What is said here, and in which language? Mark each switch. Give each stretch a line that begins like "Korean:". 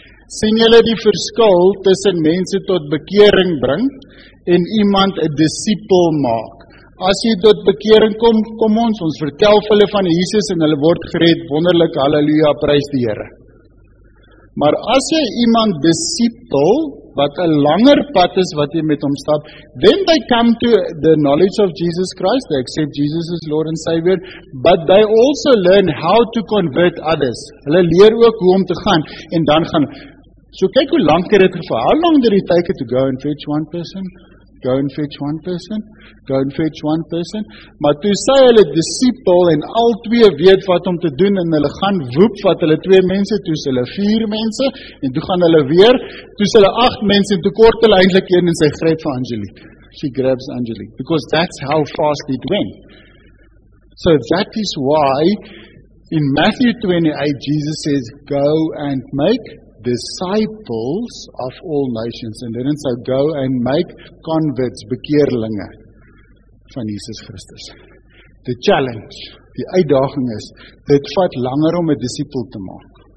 Afrikaans: Sien julle die verskil tussen mense tot bekering bring en iemand 'n disipel maak? As jy tot bekering kom, kom ons vertel vir hulle van Jesus en hulle word gered, wonderlik, halleluja, prys die Here. Maar as jy iemand disipel, wat 'n langer pad is wat jy met hom stap.
English: Then they come to the knowledge of Jesus Christ. They accept Jesus as Lord and Savior, but they also learn how to convert others.
Afrikaans: Hulle leer ook hoe om te gaan en dan gaan. So kyk hoe lank dit geval.
English: How long did it take to go and fetch one person? Go and fetch one person.
Afrikaans: Go and fetch one person. Maar toe sê hulle disipel en al twee weet wat om te doen en hulle gaan woep wat hulle twee mense, toe is hulle vier mense en toe gaan hulle weer, toe is hulle agt mense en toe kort hulle eindelijk een en sy gryp vir Angelique.
English: She grabs Angelique because that's how fast it went. So that is why in Matthew 28 Jesus says, go and make disciples of all nations, and then so go and make converts,
Afrikaans: bekeerlinge van Jesus Christus.
English: The challenge,
Afrikaans: die uitdaging is, dit vat langer om 'n disipel te maak.